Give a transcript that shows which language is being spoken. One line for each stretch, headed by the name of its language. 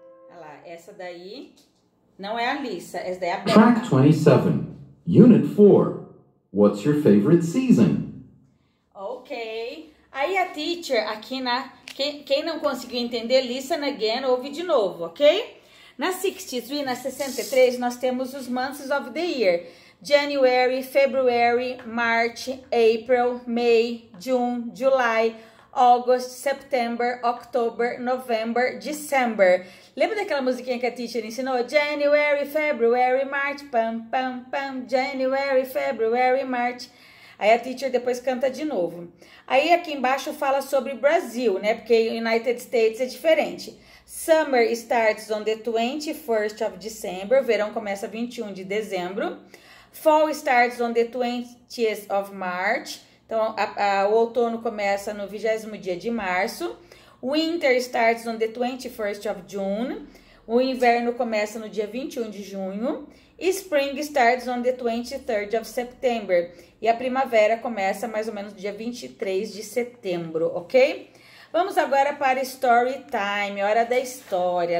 Portuguese: Olha lá, essa daí não é a Lisa, essa daí é a Becca.
English: Track 27, Unit 4. What's your favorite season?
Portuguese: Ok. Aí a teacher, aqui na... Quem não conseguiu entender,
English: listen again,
Portuguese: ouve de novo, ok? Na 63, na 63, nós temos os
English: months of the year. January, February, March, April, May, June, July, August, September, October, November, December.
Portuguese: Lembra daquela musiquinha que a teacher ensinou?
English: January, February, March, pam, pam, pam. January, February, March.
Portuguese: Aí a teacher depois canta de novo. Aí aqui embaixo fala sobre Brasil, né? Porque United States é diferente.
English: Summer starts on the 21st of December.
Portuguese: Verão começa 21 de dezembro.
English: Fall starts on the 20th of March.
Portuguese: Então, o outono começa no 20º dia de março.
English: Winter starts on the 21st of June.
Portuguese: O inverno começa no dia 21 de junho.
English: E spring starts on the 23rd of September.
Portuguese: E a primavera começa mais ou menos no dia 23 de setembro, ok? Vamos agora para
English: story time,
Portuguese: hora da história.